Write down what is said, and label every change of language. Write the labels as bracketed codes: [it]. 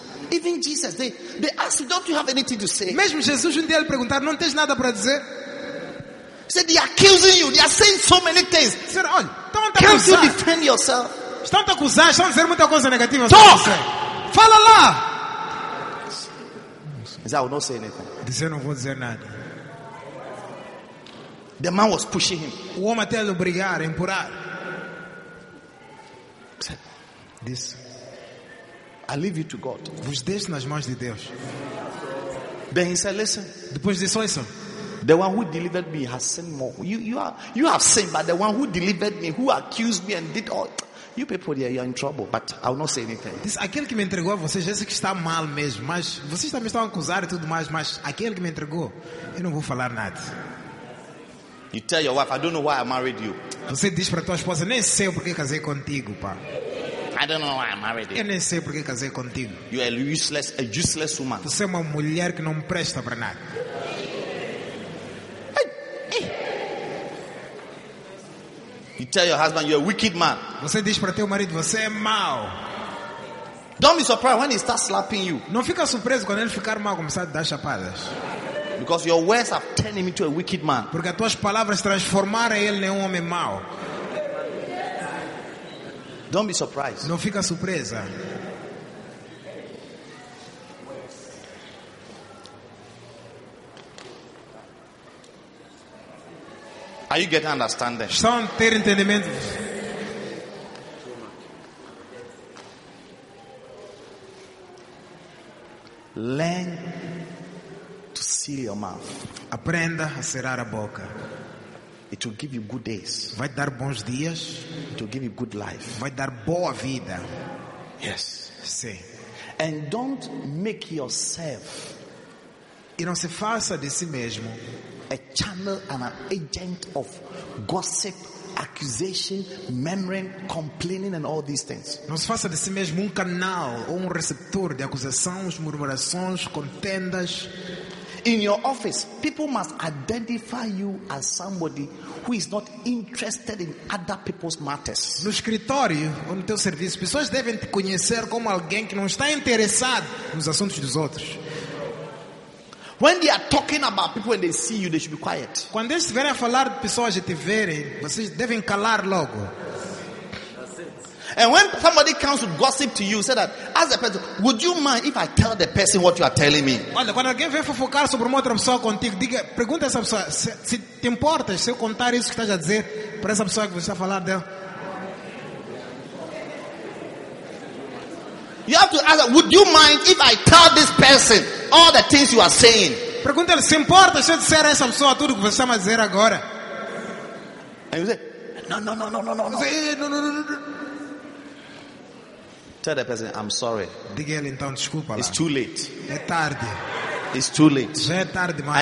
[en] Even Jesus, they ask, don't you have anything to say? [pt] Mesmo Jesus um dia lhe perguntar, não tens nada para dizer? [en] He said, they are accusing you. They are saying so many things. Can't you defend yourself? [pt] Estão a acusar, estão a dizer muita coisa negativa. [en] Talk. [pt] Fala lá. [en] He said, I will not say anything. [pt] Dizer não vou dizer nada. [en] The man was pushing him. [pt] O homem até lhe obrigar, empurrar. [en] This. I leave you to God. [pt] Vos deixo nas mãos de Deus. [en] Then he said, listen. [pt] Depois disse, listen. [en] The one who delivered me has sinned more. You have sinned, but the one who delivered me, who accused me and did all, you people there, you are in trouble. But I will not say anything. [pt] Diz, aquele que me entregou a vocês, esse que está mal mesmo, mas vocês também estão a acusar e tudo mais, mas aquele que me entregou, eu não vou falar nada. [en] You tell your wife, I don't know why I married you. [pt] Você diz para tua esposa, nem sei porque casei contigo, pá. [en] I don't know why I married you. [pt] Eu nem sei porque casei contigo. [en] You are a useless woman. [pt] Você é uma mulher que não presta para nada. [en] You tell your husband you're a wicked man. [pt] Você diz para teu marido você é mau. [en] Don't be surprised when he starts slapping you. [pt] Não fica surpreso quando ele ficar mau começar a dar chapadas. [en] Because your words have turned him into a wicked man. [pt] Porque as tuas palavras transformaram ele em homem mau. [en] Don't be surprised. [pt] Não fica surpresa. [en] Are you getting understanding? [pt] Estão a ter entendimento? [en] Learn to seal your mouth. [pt] Aprenda a cerrar a boca. [en] It will give you good days. [pt] Vai dar bons dias. [en] It will give you good life. [pt] Vai dar boa vida. [en] Yes. [pt] Sim. [en] And don't make yourself. [pt] E não se faça de si mesmo. [en] A channel and an agent of gossip, accusation, murmuring, complaining, and all these things. [pt] Não se faça de si mesmo um canal ou um receptor de acusações, murmurações, contendas. [en] In your office, people must identify you as somebody who is not interested in other people's matters. [pt] No escritório ou no teu serviço, pessoas devem te conhecer como alguém que não está interessado nos assuntos dos outros. [en] When they are talking about people and they see you, they should be quiet. [pt] Quando eles estiverem a falar de pessoas e te verem, vocês devem calar logo. [en] And when somebody comes to gossip to you, say that, as a person, would you mind if I tell the person what you are telling me? [pt] Olha, quando alguém vem fofocar sobre uma outra pessoa contigo, diga, pergunta a essa pessoa, se te importas se eu contar isso que estás a dizer para essa pessoa que você está a falar dela? [en] You have to ask, would you mind if I tell this person all the things you are saying? [pt] Pergunta se importa se eu disser a essa pessoa tudo que você está a dizer agora. [en] And you say, no. Tell the person, I'm sorry. [pt] Diga-lhe então desculpa. [en] It's too late. [pt] É tarde. [en] It's too late. [pt] Já é tarde demais.